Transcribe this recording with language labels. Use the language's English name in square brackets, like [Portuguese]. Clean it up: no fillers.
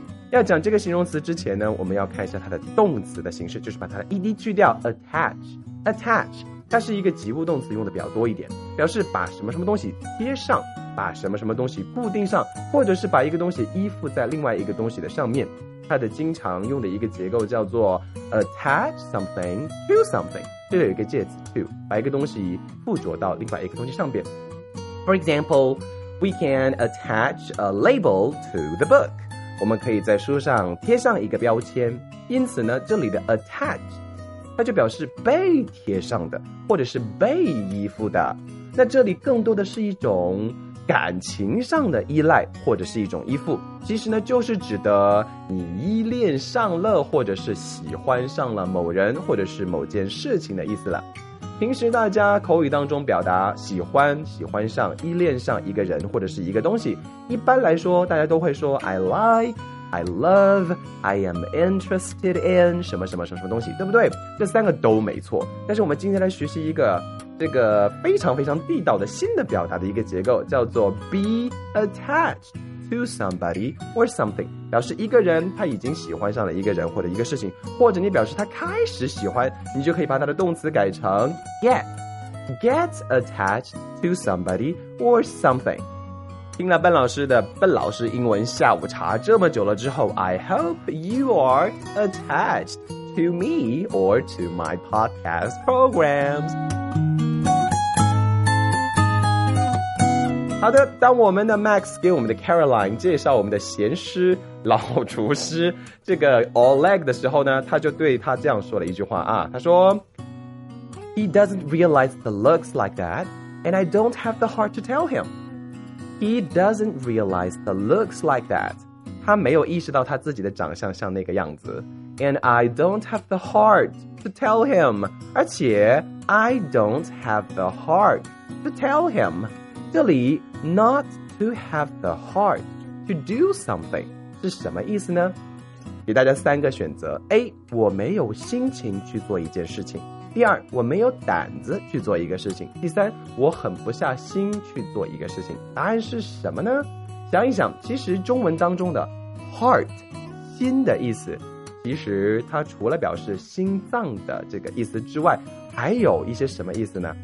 [Chinese] 要讲这个形容词之前呢，我们要看一下它的动词的形式，就是把它的 E-D 去掉 Attach 它是一个及物动词，用的比较多一点，表示把什么什么东西贴上，把什么什么东西固定上，或者是把一个东西依附在另外一个东西的上面。它的经常用的一个结构叫做 attach something to something，这里有一个介词 to， 把一个东西附着到另外一个东西上边。 [English] For example, we can attach a label to the book， [Chinese] 我们可以在书上贴上一个标签。因此呢这里的 attach 它就表示被贴上的或者是被依附的，那这里更多的是一种感情上的依赖或者是一种依附，其实呢就是指的你依恋上了或者是喜欢上了某人或者是某件事情的意思了。平时大家口语当中表达喜欢、喜欢上、依恋上一个人或者是一个东西，一般来说大家都会说 I like, I love, I am interested in 什么什么什么什么东西，对不对？这三个都没错，但是我们今天来学习一个这个非常非常地道的新的表达的一个结构，叫做 be attached to somebody or something，表示一个人他已经喜欢上了一个人或者一个事情，或者你表示他开始喜欢，你就可以把他的动词改成 get attached to somebody or something。听了笨老师的笨老师英文下午茶这么久了之后， I hope you are attached to me or to my podcast programs。好的，当我们的 Max 给我们的 Caroline 介绍我们的咸师老厨师这个 Oleg 的时候呢，他就对他这样说了一句话啊，他说 [English] He doesn't realize the looks like that and I don't have the heart to tell him. He doesn't realize the looks like that. [Chinese] 他没有意识到他自己的长相像那个样子。 [English] And I don't have the heart to tell him. [Chinese] 而且 I don't have the heart to tell him. 这里 not to have the heart to do something 是什么意思呢？给大家三个选择 A， 我没有心情去做一件事情；第二，我没有胆子去做一个事情；第三，我狠不下心去做一个事情。答案是什么呢？想一想，其实中文当中的 heart 心的意思，其实它除了表示心脏的这个意思之外，还有一些什么意思呢？